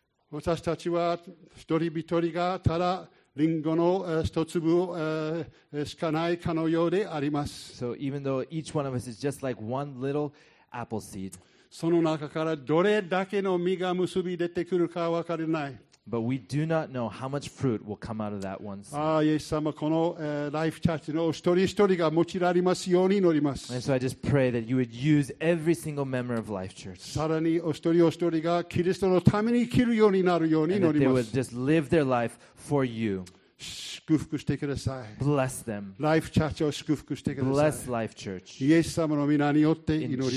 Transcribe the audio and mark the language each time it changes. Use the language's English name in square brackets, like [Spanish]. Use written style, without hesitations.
[Japanese] 私たちは一人一人がただリンゴの一粒しかないかのようであります。 [English] So even though each one of us is just like one little apple seed, [Japanese] その中からどれだけの実が結び出てくるかわからない。 [English] But we do not know how much fruit will come out of that one seed. [Japanese] ああ、イエス様、このライフチャーチの一人一人が用いられますように祈ります。 [English] And so I just pray that you would use every single member of Life Church. [Japanese] さらにお一人お一人がキリストのために生きるようになるように祈ります。 [English] And that they would just live their life for you. [Japanese] 祝福してください。 [English] Bless them. [Japanese] ライフチャーチを祝福してください。 [English] Bless Life Church. [Japanese] イエス様の皆によって祈ります。